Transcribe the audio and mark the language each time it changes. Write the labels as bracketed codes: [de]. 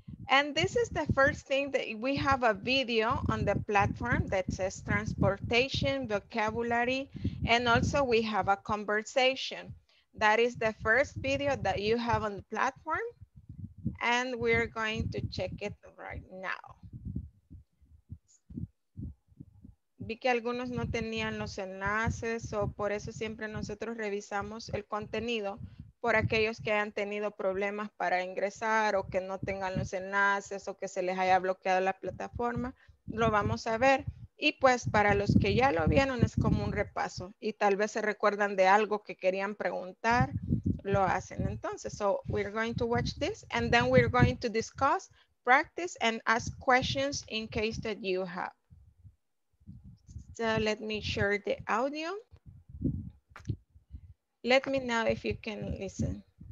[en] And this is the first thing that we have a video on the platform that says transportation, vocabulary, and also we have a conversation. That is the first video that you have on the platform. And we're going to check it right now. [es] Vi que algunos no tenían los enlaces, o por eso siempre nosotros revisamos el contenido por aquellos que hayan tenido problemas para ingresar o que no tengan los enlaces o que se les haya bloqueado la plataforma. Lo vamos a ver. Y pues para los que ya lo vieron es como un repaso y tal vez se recuerdan de algo que querían preguntar, lo hacen entonces. [en] So we're going to watch this and then we're going to discuss, practice and ask questions in case that you have. So let me share the audio. Let me know if you can listen.